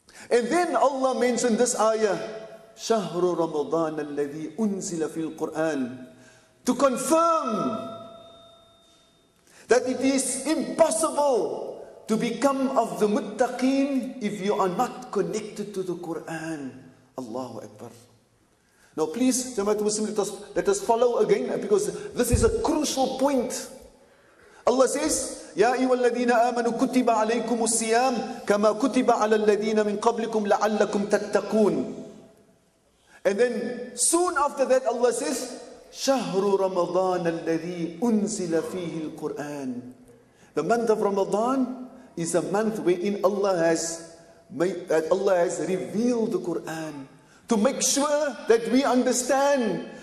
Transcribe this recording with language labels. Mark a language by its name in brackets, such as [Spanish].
[English] And then Allah mentioned this ayah, [Arabic] شهر رمضان الذي أنزل في القرآن, [English] to confirm that it is impossible to become of the muttaqeen if you are not connected to the Quran. Allahu Akbar. Now please, Jamaat Muslim, let us follow again, because this is a crucial point. Allah says, [Arabic] يا أيها الذين آمنوا كتب عليكم الصيام كما كتب على الذين من قبلكم لعلكم تتقون. [English] And then soon after that Allah says, [Arabic] شهر رمضان الذي أنزل فيه القرآن. [English] The month of Ramadan is a month wherein Allah has revealed the Quran to make sure that we understand